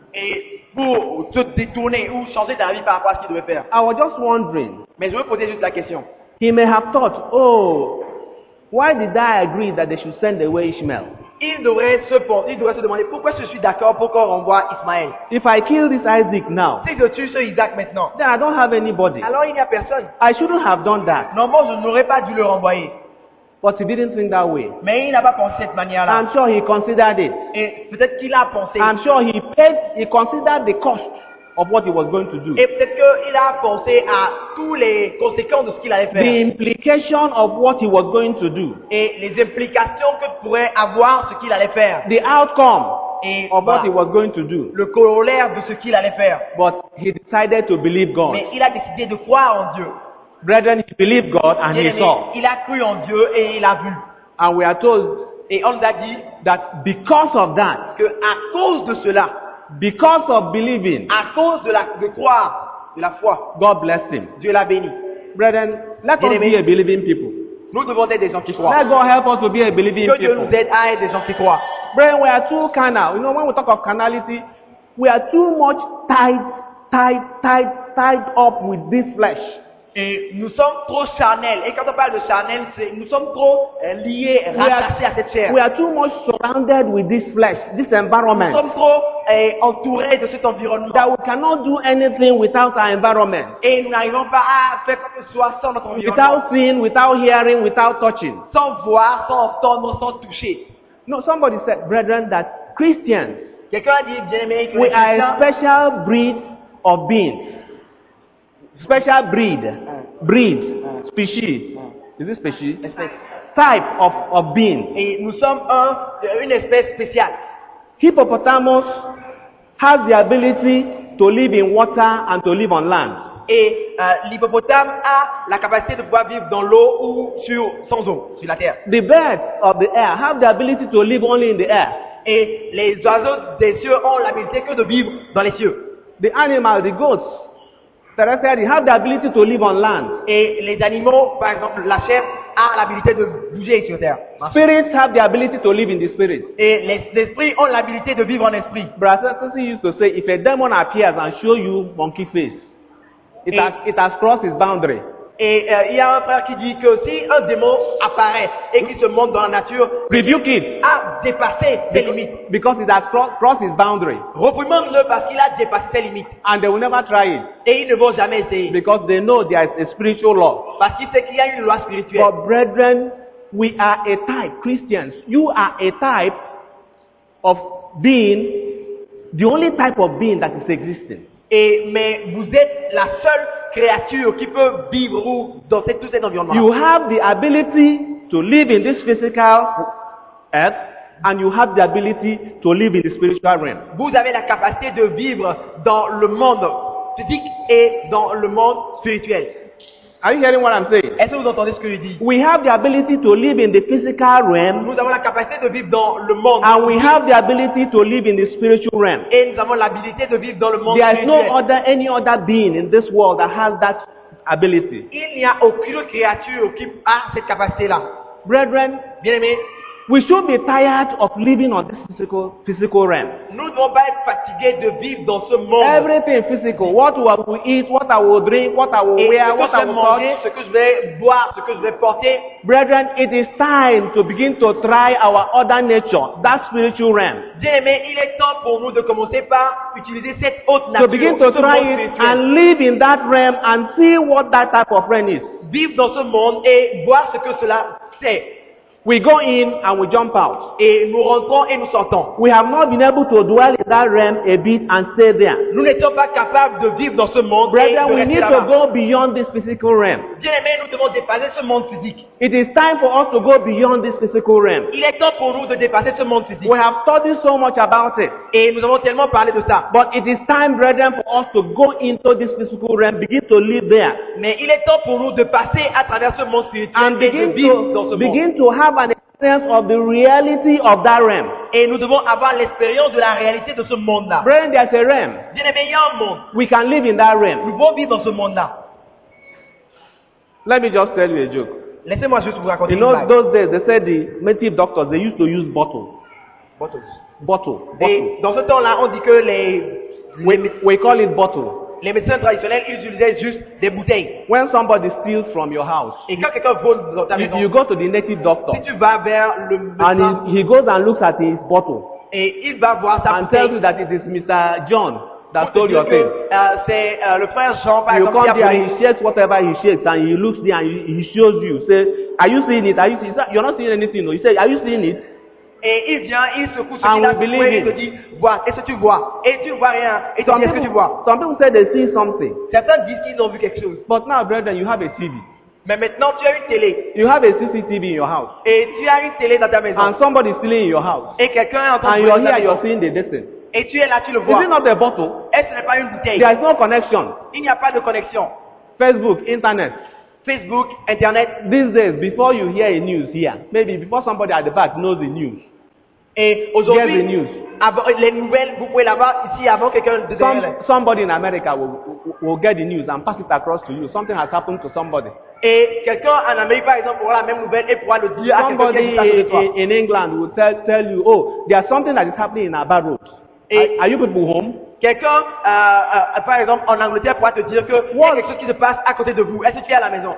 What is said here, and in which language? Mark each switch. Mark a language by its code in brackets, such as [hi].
[fr] Et pour se détourner ou changer d'avis par rapport à ce qu'il devait faire. [en] I was just wondering. [fr] Mais je me posais juste la question. [en] He may have thought, oh, why did I agree that they should send away Ishmael? [fr] Il devrait se demander pourquoi je suis d'accord pour qu'on renvoie Ismaël. [en] If I kill this Isaac now, [fr] si je tue ce Isaac maintenant, [en] then I don't have anybody. [fr] Alors il n'y a personne. [en] I shouldn't have done that. [fr] Normalement, je n'aurais pas dû le renvoyer. [en] But he didn't think that way. [fr] Mais il n'a pas pensé cette manière-là. [en] I'm sure he considered it. [fr] Et peut-être qu'il a pensé. [en] I'm sure he paid. He considered the cost of what he was going to do. [fr] Et peut-être qu'il a pensé à tous les conséquences de ce qu'il allait faire. [en] The implication of what he was going to do. [fr] Et les implications que pourrait avoir ce qu'il allait faire. [en] The outcome [fr] et [en] of what he was going to do. [fr] Le corollaire de ce qu'il allait faire. [en] But he decided to believe God. [fr] Mais il a décidé de croire en Dieu. [en] Brethren, he believed God and he saw. [fr] Il a cru en Dieu et il a vu. [en] And we are told, [fr] et on a dit, [en] that because of that, [fr] que à cause de cela, [en] because of believing, [fr] à cause de la de croire, de la foi, [en] God blessed him. [fr] Dieu l'a béni. [en] Brethren, let us be a believing people. [fr] Nous devons être des gens qui croient. [en] Let God help us to be a believing people. [fr] Que Dieu nous aide à être des gens qui croient. [en] Brethren, we are too carnal. You know, when we talk of carnality, we are too much tied up with this flesh. [fr] Et nous sommes trop charnels. Et quand on parle de charnel, c'est nous sommes trop liés, rattachés à cette chair. [en] We are too much surrounded with this flesh, this environment. [fr] Nous sommes trop entourés de cet environnement. [en] That we cannot do anything without our environment. [fr] Et nous n'arrivons pas à faire quoi que ce soit sans notre environnement. [en] Without seeing, without hearing, without touching. [fr] Sans voir, sans entendre, sans toucher. [en] No, somebody said, brethren, that Christians. [fr] Quelqu'un a dit, bien-aimé, que [en] we are a special breed of beings. Special breed, species, is it species? [fr] Espèce. [en] Type of being. [fr] Et nous sommes une espèce spéciale. [en] Hippopotamus has the ability to live in water and to live on land. [fr] Et l'hippopotame a la capacité de pouvoir vivre dans l'eau ou sans eau, sur la terre. [en] The birds of the air have the ability to live only in the air. [fr] Et les oiseaux des cieux ont l'habilité que de vivre dans les cieux. [en] The animals, the goats. They have the ability to live on land. [fr] Et les animaux, par exemple, la chair a l'habilité de bouger sur terre. [en] Spirits have the ability to live in the spirit. [fr] Et les esprits ont l'habilité de vivre en esprit. [en] Brother Sisi used to say, if a demon appears and show you monkey face, it has crossed its boundary. [fr] Et il y a un frère qui dit que si un démon apparaît et qu'il se montre dans la nature, [en] rebuke it. [fr] A dépassé ses limites. [en] Because it has crossed its boundary. [fr] Reprimande-le parce qu'il a dépassé ses limites. [en] And they will never try it. [fr] Et ils ne vont jamais essayer. [en] Because they know there is a spiritual law. [fr] Parce qu'ils savent qu'il y a une loi spirituelle. [en] But brethren, we are a type, Christians. You are a type of being, the only type of being that is existing. [fr] Et mais vous êtes la seule créature qui peut vivre dans tout cet environnement. [en] You have the ability to live in this physical earth. And you have the ability to live in the spiritual realm. [fr] Vous avez la capacité de vivre dans le monde physique et dans le monde spirituel. [en] Are you hearing what I'm saying? [fr] Est-ce que vous entendez ce que je dis? [en] We have the ability to live in the physical realm. [fr] Nous avons la capacité de vivre dans le monde. [en] And we have the ability to live in the spiritual realm. [fr] Et nous avons l'habilité de vivre dans le monde spirituel. [en] There is no other any other being in this world that has that ability. [fr] Il n'y a aucune créature qui a cette capacité-là. [en] Brethren, [fr] bien-aimés. [en] We should be tired of living on this physical realm. [fr] Nous ne devons pas être fatigués de vivre dans ce monde. [en] Everything physical. What will we eat, what I will drink, what I will wear, what I will touch. [fr] Ce que je vais boire, ce que je vais porter. [en] Brethren, it is time to begin to try our other nature, that spiritual realm. [fr] Bien-aimés, il est temps pour nous de commencer par utiliser cette autre nature. [en] To begin to try it and live in that realm and see what that type of realm is. [fr] Vivre dans ce monde et voir ce que cela c'est. [en] We go in and we jump out. [fr] Et nous rentrons et nous sortons. [en] We have not been able to dwell in that realm a bit and stay there. [fr] Nous n'étions pas capables de vivre dans ce monde. [en] Brethren, we need to go beyond this physical realm. [fr] Bien-aimés, nous devons dépasser ce monde physique. [en] It is time for us to go beyond this physical realm. [fr] Il est temps pour nous de dépasser ce monde physique. [en] We have studied so much about it. [fr] Et nous avons tellement parlé de ça. [en] But it is time, brethren, for us to go into this physical realm, begin to live there. [fr] Mais il est temps pour nous de passer à travers ce monde spirituel [en] and begin [fr] et de vivre dans ce monde. [en] Begin to have an experience of the reality of that realm. [fr] Et nous devons avoir l'expérience de la réalité de ce monde-là. [en] Brethren, there's a realm. [fr] Bien-aimé, il y a un monde. [en] We can live in that realm. [fr] Nous pouvons vivre dans ce monde-là. [en] Let me just tell you a joke. [fr] Laissez-moi juste vous raconter une blague. [en] In those days, they said the native doctors, they used to use bottles. Bottles. [fr] Et dans ce temps-là, on dit que les... [en] We call it bottle. [fr] Les médecins traditionnels utilisaient juste des bouteilles. [en] When somebody steals from your house, [fr] et quand quelqu'un vole dans ta maison, [en] you go to the native doctor. [fr] Si tu vas vers le médecin, [en] and he goes and looks at his bottle, [fr] et il va voir sa [en] and tells you that it is Mr. John that stole your thing. [fr] Le frère Jean, par [en] you [fr] exemple, [en] come there and he shares whatever he shares, and he looks there and he shows you. Say, are you seeing it? Are you seeing it? You're not seeing anything. No. You say, are you seeing it? [fr] Et il vient, il se couche, il se dit, vois, est-ce que tu vois? Et tu ne vois rien. Et tu dis, est-ce que tu vois? [en] Some people say they see something. [fr] Certains disent qu'ils ont vu quelque chose. [en] But now, brethren, you have a TV. [fr] Mais maintenant, tu as une télé. [en] You have a CCTV in your house. [fr] Et tu as une télé dans ta maison. [en] And somebody is stealing in your house. [fr] Et quelqu'un est en train de voir. [en] And you're here, you're seeing the distance. [fr] Et tu es là, tu le vois. [en] Is it not a bottle? [fr] Est-ce que ce n'est pas une bouteille? [en] There is no connection. [fr] Il n'y a pas de connexion. [en] Facebook, Internet. [fr] Facebook, Internet. [en] These days, before you hear a news here, maybe before somebody at the back knows the news. [fr] Et aujourd'hui, [en] hear the news. [fr] Les nouvelles, vous pouvez l'avoir ici avant quelqu'un de [en] Somebody in America will get the news and pass it across to you. Something has happened to somebody. [fr] Et quelqu'un en Amérique, par exemple, aura la même nouvelle et pourra le dire à quelqu'un qui est en train de toi. [en] In England will tell you, oh, there's something that is happening in Abbey Road. Are you people home? [fr] Quelqu'un, par exemple, en Angleterre pourra te dire que il y a quelque chose qui se passe à côté de vous. Est-ce que tu es à la maison?